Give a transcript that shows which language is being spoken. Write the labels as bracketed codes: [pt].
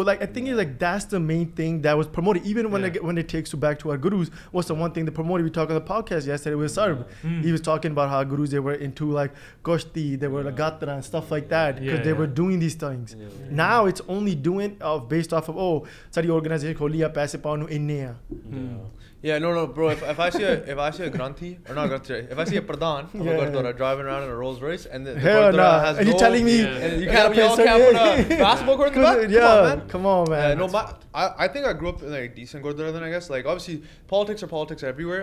[en] Like, I think it's like that's the main thing that was promoted. Even when it takes you back to our gurus, what's the one thing they promoted? We talked on the podcast yesterday with Sarb. He was talking about how gurus, they were into like Koshti, they were Gatra and stuff like that because they were doing these things. Now it's only doing based off of, [pa] ਸਾਡੀ organisation ਖੋਲੀ ਆ ਪੈਸੇ ਪਾਉਣ ਨੂੰ ਇੰਨੇ ਆ [en] Yeah, no, no, bro. If I see a Granthi, or not Granthi, if I see a Pradhan driving around in a Rolls Royce and the Gurdwara nah. has gold, and you're telling me you got to pay all camera basketball court in the back? Yeah. Come on, man. Yeah, no, I think I grew up in a decent Gurdwara then, I guess. Like, obviously, politics are politics everywhere.